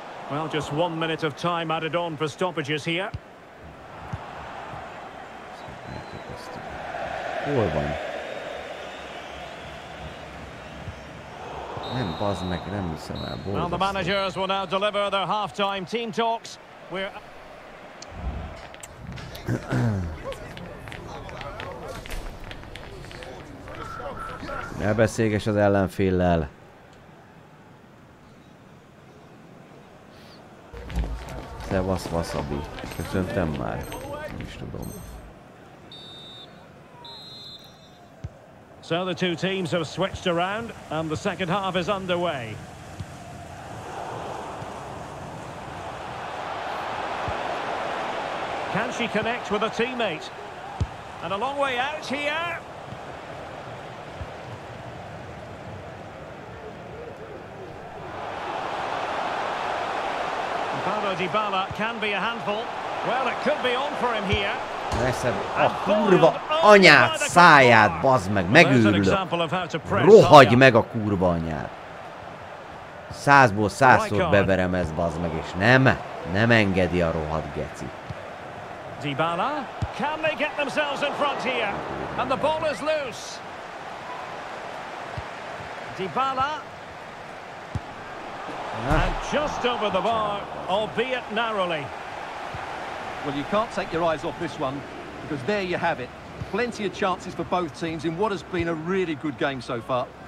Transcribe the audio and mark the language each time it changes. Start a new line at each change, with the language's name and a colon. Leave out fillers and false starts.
English: Well, just 1 minute of time added on for stoppages here.
Hungarian: Hol van? Nem, bazd meg, nem hiszem el.
English: Well, the managers will now deliver their halftime team talks. We're...
Hungarian: Ne beszélgess az ellenféllel. Szevasz, Wasabi. Köszöntem már. Nem is tudom.
English: So the two teams have switched around and the second half is underway. Can she connect with a teammate? And a long way out here. Dybala can be a handful. Well, it could be on for him here.
Hungarian: Veszed a kurva anyád száját, bazd meg, megőrülök. Rohadj meg a kurva anyád. Százból százszor beverem ezt, bazd meg, és nem, nem engedi a rohadt geci.
English: Dybala, can they get themselves in front here? And the ball is loose. Dybala. And just over the bar, albeit narrowly. Well, you can't take your eyes off this one, because there you have it. Plenty of chances for both teams in what has been a really good game so far.